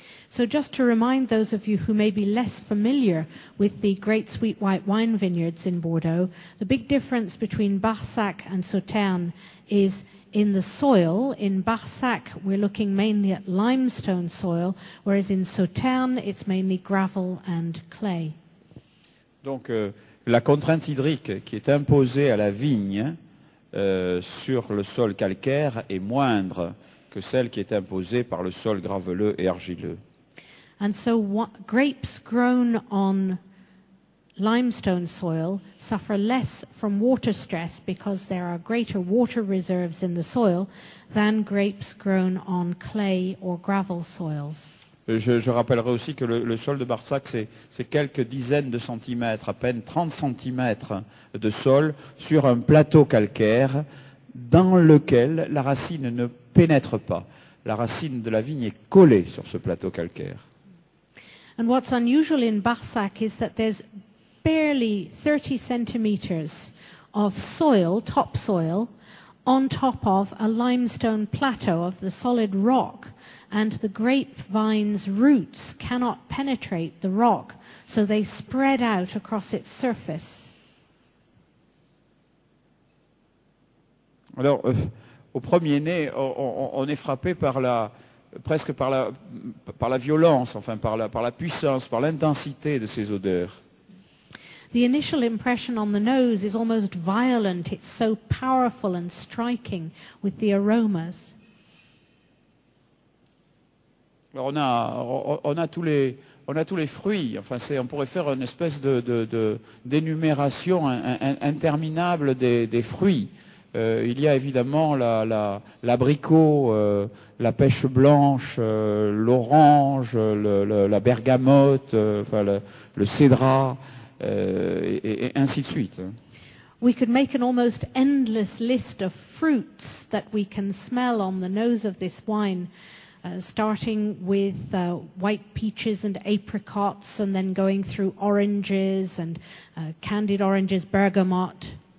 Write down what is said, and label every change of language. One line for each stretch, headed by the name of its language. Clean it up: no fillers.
English: So just to remind those of you who may be less familiar with the great sweet white wine vineyards in Bordeaux, the big difference between Barsac and Sauternes is in the soil. In Barsac, we're looking mainly at limestone soil, whereas in Sauternes, it's mainly gravel and clay.
French: Donc, la contrainte hydrique qui est imposée à la vigne sur le sol calcaire est moindre que celle qui est imposée par le sol graveleux et argileux.
English: And so, grapes grown on limestone soil suffer less from water stress because there are greater water reserves in the soil than grapes grown on clay or gravel soils.
French: Je rappellerai aussi que le sol de Barsac, c'est quelques dizaines de centimètres, à peine 30 centimètres de sol sur un plateau calcaire dans lequel la racine ne pénètre pas. La racine de la vigne est collée sur ce plateau calcaire.
English: And what's unusual in Barsac is that there's barely 30 centimeters of soil, topsoil, on top of a limestone plateau of the solid rock, and the grapevine's roots cannot penetrate the rock, so they spread out across its surface.
French: Alors, au premier nez, on est frappé par la, presque par la violence, enfin par la puissance, par l'intensité de ces odeurs.
English: The initial impression on the nose is almost violent. It's so powerful and striking with the aromas.
French: Alors on a tous les fruits. Enfin, on pourrait faire une espèce de d'énumération interminable des fruits. Il y a évidemment l'abricot, la pêche blanche, l'orange, la bergamote, enfin le cédrat. Et ainsi de suite.
English: We could make an almost endless list of fruits that we can smell on the nose of this wine, starting with white peaches and apricots, and then going through oranges and candied oranges, bergamot.